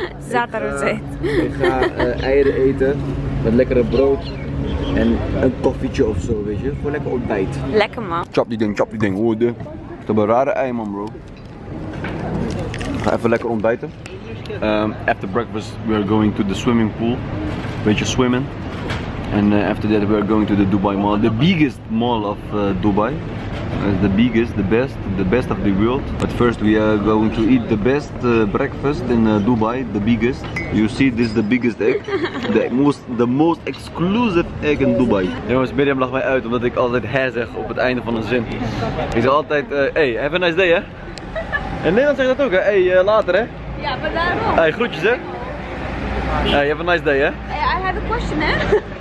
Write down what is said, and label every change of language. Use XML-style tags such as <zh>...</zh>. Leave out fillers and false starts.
<nl>Zatar Ozeet. Ik ga eieren eten met lekkere brood. En een koffietje of zo, weet je, voor lekker ontbijt. Lekker man. Chop die ding, hoor de. Ik heb een rare ei, man, bro. Ga even lekker ontbijten.</nl> <en>After breakfast, we are going to the swimming pool.</en> <nl>Beetje swimmen.</nl> <en>And after that, we are going to the Dubai Mall. The biggest mall of Dubai. The biggest, the best of the world. But first, we are going to eat the best breakfast in Dubai, the biggest. You see, this is the biggest egg. the most exclusive egg in Dubai.</en> <nl>Jongens, Miriam lacht mij uit omdat ik altijd hè zeg op het einde van een zin. Ik zeg altijd,</nl> <en>hey, have a nice day,</en> <nl>hè? In Nederland zegt dat ook, hè?</nl> <en>Hey, later, hè?</en> <nl>Ja, maar daarom.</nl> <en>Hey, groetjes, hè? Hey, have a nice day, hè? Hey, I have a question, hè?</en>